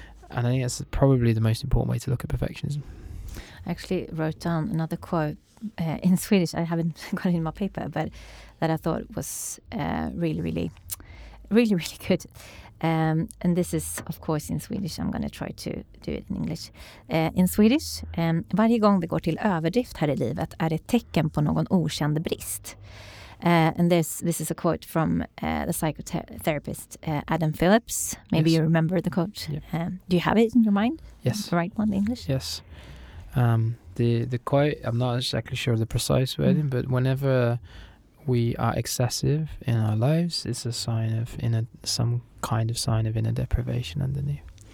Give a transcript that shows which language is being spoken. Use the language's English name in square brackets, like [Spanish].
[English] And I think that's probably the most important way to look at perfectionism. I actually wrote down another quote in Swedish. I haven't got it in my paper, but that I thought was really, really, really, really good. And this is, of course, in Swedish. I'm going to try to do it in English. In Swedish, [Swedish] varje gång det går till överdrift här i livet är det ett tecken på någon okänd brist. [English] And this is a quote from the psychotherapist Adam Phillips. Maybe yes. You remember the quote. Yeah. Do you have it in your mind? Yes. The right one in English? Yes. The quote, I'm not exactly sure of the precise wording, but whenever we are excessive in our lives, it's a sign of some kind of sign of inner deprivation underneath.